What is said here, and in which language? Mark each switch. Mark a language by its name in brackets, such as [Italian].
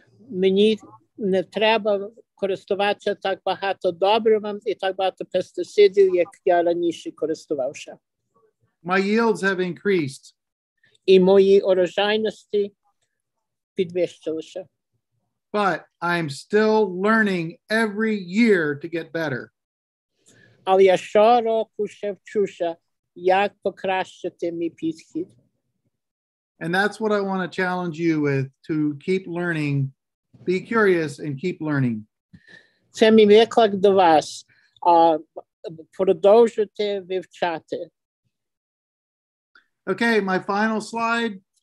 [Ukrainian] Мені не треба користуватися так багато добривом і так багато пестицидів, як я раніше користувався. [English] My yields have increased. [Ukrainian] І мої урожайності підвищилися. [English] But I'm still learning every year to get better. [Ukrainian] Але я щороку ще вчуся, як покращити мій підхід. [English] And that's what I want to challenge you with, to keep learning. Be curious and keep learning. [Ukrainian] Це мій виклик до вас. Продовжуйте вивчати. [English] Okay, my final slide.